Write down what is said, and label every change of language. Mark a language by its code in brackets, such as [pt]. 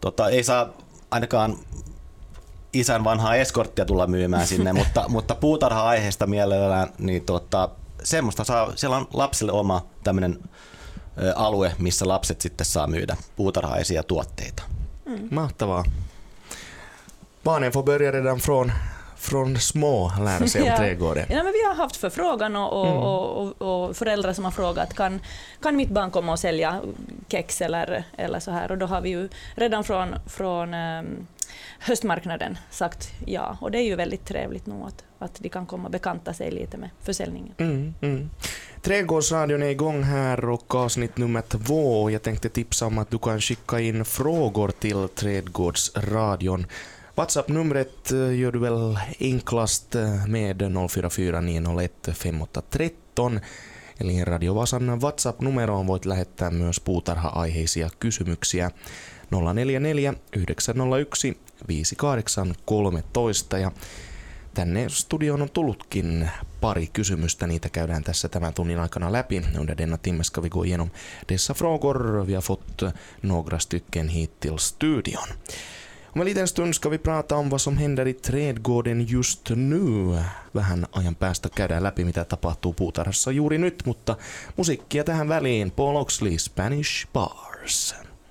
[fi] Ei saa ainakaan isän vanhaa eskorttia tulla myymään sinne, mutta puutarha-aiheesta mielellään, niin semmoista saa, siellä on lapsille oma tämmöinen alue, missä lapset sitten saa myydä puutarhaisia tuotteita. Mm. Mahtavaa. [sv] Barnen får börja redan från små lära sig om trädgården. Ja, men vi har haft förfrågan och föräldrar som har frågat kan mitt barn komma och sälja kex eller så här, och då har vi ju redan från höstmarknaden sagt ja, och det är ju väldigt trevligt nog att de kan komma och bekanta sig lite med försäljningen. Mm, mm. Trädgårdsradion är igång här och avsnitt nummer 2. Jag tänkte tipsa om att du kan skicka in frågor till Trädgårdsradion. WhatsApp-numret gör du väl enklast med 044-901-5813. [fi] Eli Radio Vasan WhatsApp-numeroon voit lähettää myös puutarha-aiheisia kysymyksiä 044-901-5813. Ja tänne studioon on tullutkin pari kysymystä, niitä käydään tässä tämän tunnin aikana läpi. [sv] Under denna timme ska vi gå igenom dessa frågor, vi har fått några stycken hit till studion. Om en liten stund ska vi prata om vad som händer i trädgården just nu. [fi] Vähän ajan päästä käydään läpi, mitä tapahtuu puutarhassa juuri nyt, mutta musiikkia tähän väliin. Paul Oxley, Spanish Bars.